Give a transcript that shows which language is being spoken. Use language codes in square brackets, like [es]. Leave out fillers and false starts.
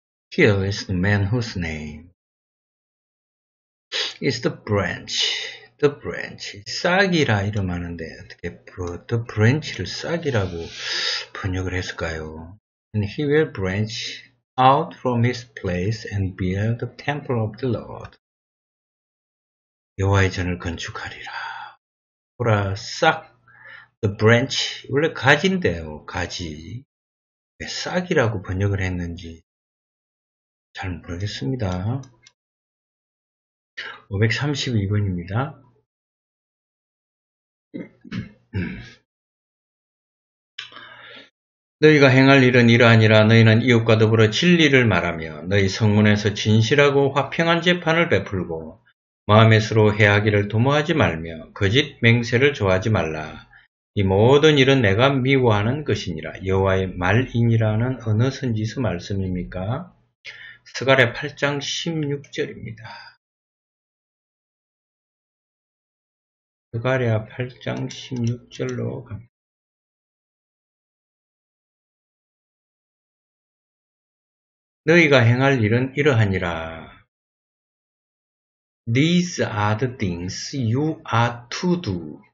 [en] Here is the man whose name is the branch. [ko] The branch. 싹이라 이름하는데 어떻게 the branch를 싹이라고 번역을 했을까요? [en] And he will branch out from his place and build the temple of the Lord. [ko] 여호와의 전을 건축하리라. 보라 싹 The branch, 원래 가지인데요, 가지. 왜 싹이라고 번역을 했는지 잘 모르겠습니다. 532번입니다. 너희가 행할 일은 이러하니라 너희는 이웃과 더불어 진리를 말하며 너희 성문에서 진실하고 화평한 재판을 베풀고 마음에 서로 해하기를 도모하지 말며 거짓 맹세를 좋아하지 말라. 이 모든 일은 내가 미워하는 것이니라. 여호와의 말이니라는 어느 선지서 말씀입니까? 스가랴 8장 16절입니다. 스가랴 8장 16절로 갑니다. 너희가 행할 일은 이러하니라. [en] These are the things you are to do.